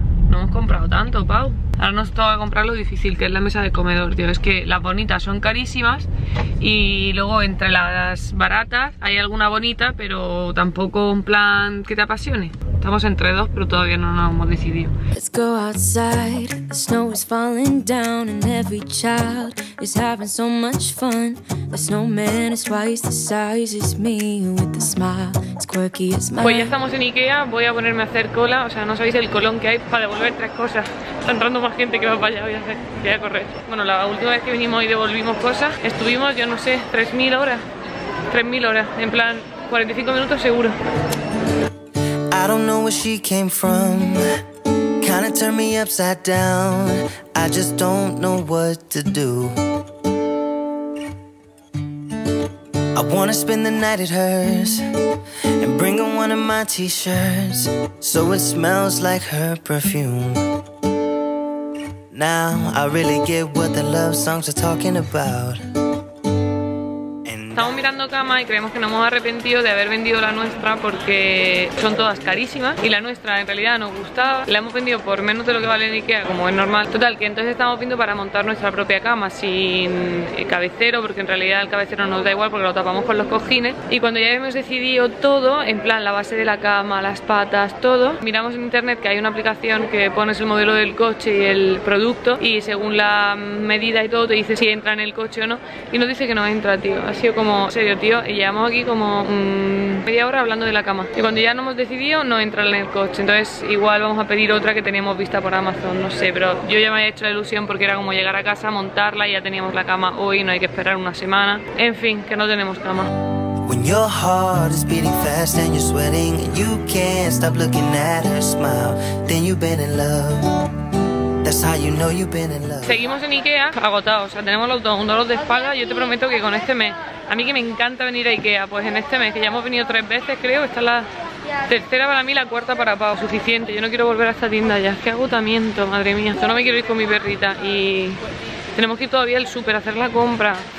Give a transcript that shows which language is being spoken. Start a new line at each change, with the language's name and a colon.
Spanish: No hemos comprado tanto, Pau. Ahora nos toca comprar lo difícil, que es la mesa de comedor, tío. Es que las bonitas son carísimas y luego entre las baratas hay alguna bonita, pero tampoco un plan que te apasione. Estamos entre dos, pero todavía no nos hemos decidido.
English: Let's go outside. The snow is falling down and every child is having so much fun. The snowman is twice the size as me with a smile.
Spanish: Pues ya estamos en Ikea, voy a ponerme a hacer cola. O sea, no sabéis el colón que hay para devolver tres cosas. Está entrando más gente que va para allá, voy a hacer. Voy a correr. Bueno, la última vez que vinimos y devolvimos cosas, estuvimos, yo no sé, 3.000 horas. 3.000 horas, en plan, 45 minutos seguro.
English: I don't know where she came from. Kinda turned me upside down. I just don't know what to do. I wanna spend the night at hers and bring her one of my t-shirts so it smells like her perfume. Now I really get what the love songs are talking about.
Spanish: Estamos mirando cama y creemos que nos hemos arrepentido de haber vendido la nuestra porque son todas carísimas y la nuestra en realidad nos gustaba. La hemos vendido por menos de lo que vale en Ikea, como es normal. Total, que entonces estamos viendo para montar nuestra propia cama sin cabecero, porque en realidad el cabecero nos da igual porque lo tapamos con los cojines. Y cuando ya hemos decidido todo, en plan la base de la cama, las patas, todo, miramos en internet que hay una aplicación que pones el modelo del coche y el producto y según la medida y todo te dice si entra en el coche o no, y nos dice que no entra, tío. Ha sido como, en serio, tío, llevamos aquí como media hora hablando de la cama. Y cuando ya no hemos decidido, no entrar en el coche. Entonces, igual vamos a pedir otra que teníamos vista por Amazon, no sé. Pero yo ya me había hecho la ilusión porque era como llegar a casa, montarla y ya teníamos la cama hoy, no hay que esperar una semana. En fin, que no tenemos cama.
English: When your heart is beating fast and you're sweating and you can't stop looking at her smile, then you've been in love. That's how you know you've been in love.
Spanish: Seguimos en Ikea agotados, o sea, tenemos un dolor de espalda. Yo te prometo que con este mes, a mí que me encanta venir a Ikea, pues en este mes que ya hemos venido tres veces, creo, esta es la tercera para mí, la cuarta para Pau, suficiente. Yo no quiero volver a esta tienda ya, qué agotamiento, madre mía. Yo no me quiero ir con mi perrita y tenemos que ir todavía al súper a hacer la compra.